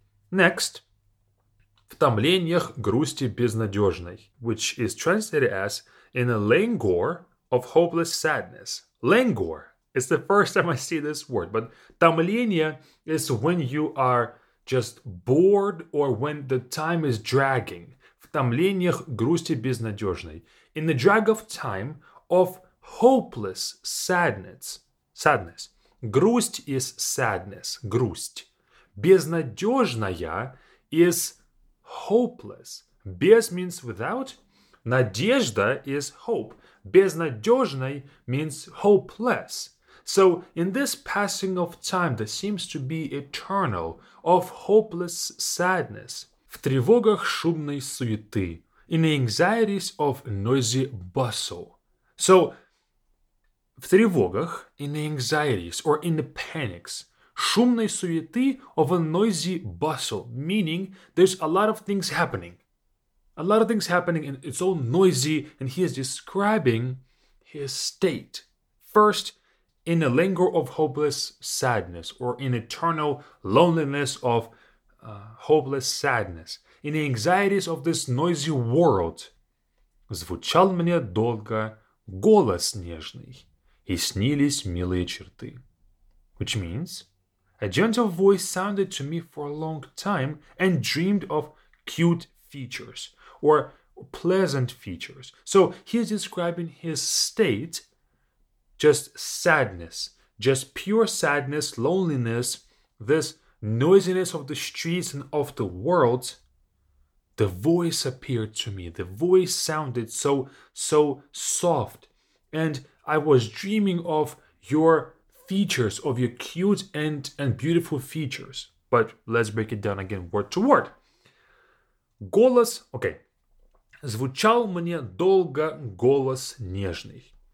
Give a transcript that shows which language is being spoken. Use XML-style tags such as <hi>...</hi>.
<en>Next,</en> <ru>в томлениях грусти безнадежной,</ru> <en>which is translated as in a languor of hopeless sadness. Languor. It's the first time I see this word. But томление is when you are just bored or when the time is dragging.</en> <ru>В томлениях грусти безнадежной.</ru> <en>In the drag of time of hopeless sadness. Sadness. Грусть is sadness. Грусть. Безнадежная is hopeless. Без means without. Надежда is hope. Безнадежной means hopeless. So in this passing of time that seems to be eternal, of hopeless sadness.</en> <ru>В тревогах шумной суеты.</ru> <en>In the anxieties of noisy bustle. So,</en> <ru>в тревогах,</ru> <en>in the anxieties, or in the panics.</en> <ru>Шумной суеты,</ru> <en>of a noisy bustle. Meaning, there's a lot of things happening. A lot of things happening, and it's all noisy, and he is describing his state. First, in a languor of hopeless sadness, or in eternal loneliness of hopeless sadness, in the anxieties of this noisy world.</en> <ru>Звучал мне долго голос нежный, и снились милые черты.</ru> <en>Which means, a gentle voice sounded to me for a long time, and dreamed of cute features. Or pleasant features. So he's describing his state, just sadness, just pure sadness, loneliness, this noisiness of the streets and of the world. The voice appeared to me. The voice sounded so soft. And I was dreaming of your features, of your cute and beautiful features. But let's break it down again, word to word. Голос, okay.</en> <ru>Звучал мне долго голос нежный.</ru>